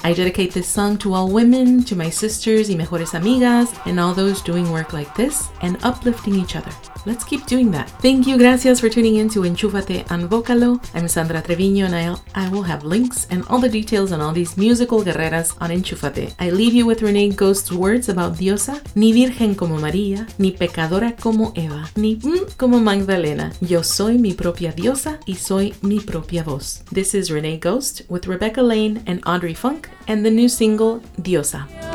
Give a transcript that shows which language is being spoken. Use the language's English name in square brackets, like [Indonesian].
[English] I dedicate this song to all women, to my sisters [Spanish] y mejores amigas, [English] and all those doing work like this and uplifting each other. Let's keep doing that. Thank you, gracias for tuning in to Enchúfate and Vocalo. I'm Sandra Treviño and I will have links and all the details on all these musical guerreras on Enchúfate. I leave you with Rene Ghost's words about Diosa. [Spanish] Ni virgen como María, ni pecadora como Eva, ni como Magdalena. Yo soy mi propia Diosa y soy mi propia voz. [English] This is Rene Ghost with Rebecca Lane and Audrey Funk and the new single, Diosa.